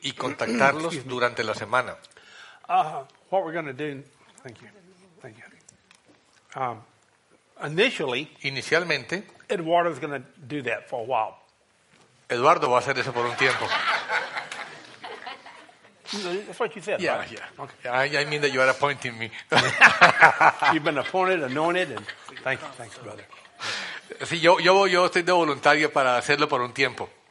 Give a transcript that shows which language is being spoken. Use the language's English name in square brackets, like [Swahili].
[Spanish] Y contactarlos durante la semana. [English] What we're going to do? Thank you. Thank you. Inicialmente, Eduardo's going to do that for a while. [Spanish] Eduardo va a hacer eso por un tiempo. [English] That's what you said. Yeah, right? Yeah. Okay. I mean that you are appointing me. You've been appointed, anointed, and thank you, brother. [Spanish] Sí, yo estoy de voluntario para hacerlo por un tiempo.